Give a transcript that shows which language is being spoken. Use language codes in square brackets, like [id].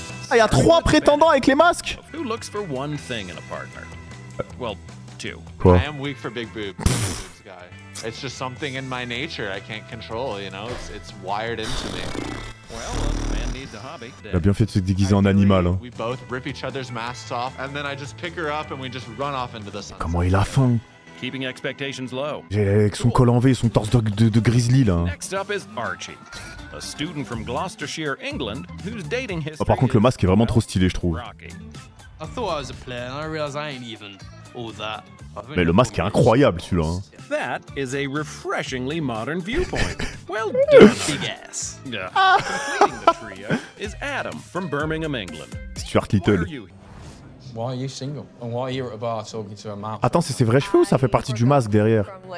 [fr] Ah, y a trois prétendants avec les masques. [en] Who looks for one thing in a partner? Well, two. [fr] Quoi? [en] I am weak for big boobs. It's just something in my nature I can't control, you know. It's wired into me. Well, man needs a hobby. [fr] Il a bien fait de se déguiser en animal. [en] We both rip each other's masks off, and then I just pick her up and we just run off into the sunset. [fr] Comment il a faim? [en] Keeping expectations low. [fr] Avec son col en V, son torse de grizzly là. [en] Next up is Archie, a student from Gloucestershire, England, who's dating his. [fr] Oh, par contre, le masque est vraiment trop stylé, je trouve. [en] I thought I was a player, and I realize I ain't even all that. [fr] Mais le masque est incroyable, celui-là. Hein. [en] That is a refreshingly modern viewpoint. Well done, big ass. Completing the trio is Adam from Birmingham, England. Stuart Little. Why are you single? And why are you at a bar talking to a man? [fr] Attends, c'est ses vrais cheveux ou ça fait partie du masque derrière?